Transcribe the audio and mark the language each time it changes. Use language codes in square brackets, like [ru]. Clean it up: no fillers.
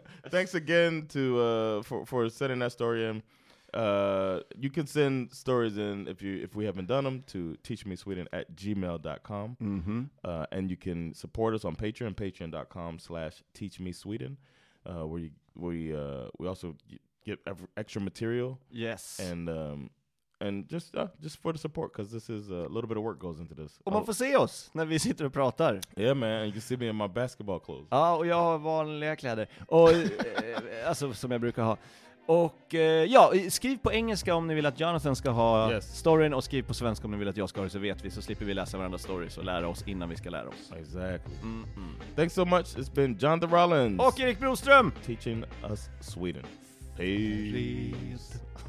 [en] Thanks again to for sending that story in. You can send stories in if we haven't done them to teachmesweden@gmail.com. Mm-hmm. And you can support us on Patreon, patreon.com/teachmesweden, where we also get extra material. Yes. And just for the support, because this is a little bit of work goes into this. [sv] Och man får se oss när vi sitter och pratar. [en] Yeah, man. You can see me in my basketball clothes. [sv] Ja, och jag har vanliga kläder. Och, alltså, som jag brukar ha. Och ja, skriv på engelska om ni vill att Jonathan ska ha storyn, och skriv på svenska om ni vill att jag ska ha det, så vet vi, så slipper vi läsa varandras stories och lära oss innan vi ska lära oss. [en] Exactly. Thanks so much. It's been John the Rollins. [sv] Och Erik Broström. [en] Teaching us Sweden. Peace.